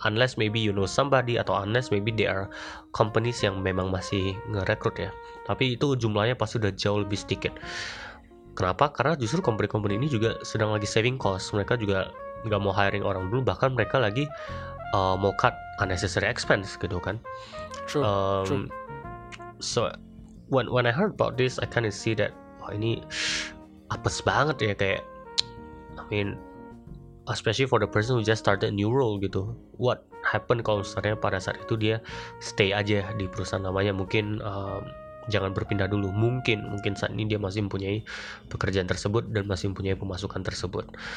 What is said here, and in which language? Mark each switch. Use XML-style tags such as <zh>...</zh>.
<en>Unless maybe you know somebody,</en> <id>atau</id> <en>unless maybe there are companies</en> <id>yang memang masih ngerekrut ya. Tapi itu jumlahnya pasti udah jauh lebih sedikit. Kenapa? Karena justru company-company ini juga sedang lagi</id> <en>saving cost.</en> <id>Mereka juga nggak mau hiring orang dulu, bahkan mereka lagi mau</id> <en>cut unnecessary expense</en> <id>gitu kan.</id> <en>True. So when I heard about this, I kind of see that</en> <id>ini apes banget ya, kayak</id> <en>I mean especially for the person who just started a new role gitu. What happened</en> <id>kalau misalnya pada saat itu dia stay aja di perusahaan namanya, mungkin jangan berpindah dulu, mungkin saat ini dia masih mempunyai pekerjaan tersebut dan masih mempunyai pemasukan tersebut.</id>